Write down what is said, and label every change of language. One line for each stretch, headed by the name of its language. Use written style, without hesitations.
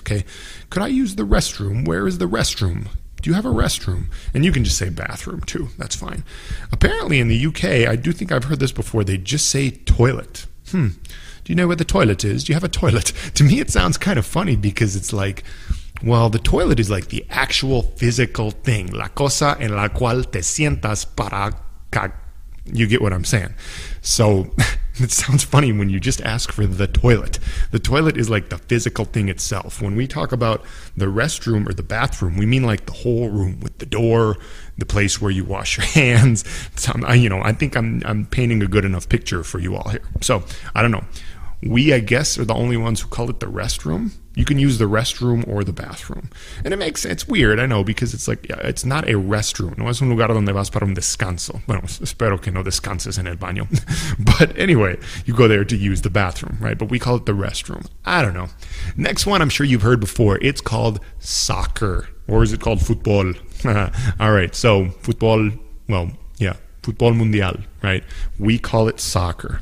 English: Okay, could I use the restroom? Where is the restroom? Do you have a restroom? And you can just say bathroom too. That's fine. Apparently in the UK, I do think I've heard this before, they just say toilet. Do you know where the toilet is? Do you have a toilet? To me, it sounds kind of funny because it's like, well, the toilet is like the actual physical thing.
Spanish: La cosa en la cual te sientas para cagar.
English: You get what I'm saying. So it sounds funny when you just ask for the toilet. The toilet is like the physical thing itself. When we talk about the restroom or the bathroom, we mean like the whole room with the door, the place where you wash your hands. I think I'm painting a good enough picture for you all here. So I don't know. We, I guess, are the only ones who call it the restroom. You can use the restroom or the bathroom. And it makes sense. It's weird, I know, because it's like, yeah, it's not a restroom.
Spanish: No es un lugar donde vas para un descanso. Bueno, espero que no descanses en el baño.
English: But anyway, you go there to use the bathroom, right? But we call it the restroom. I don't know. Next one I'm sure you've heard before. It's called soccer. Or is it called football? All right, so football, well, yeah. Football Mundial, right? We call it soccer.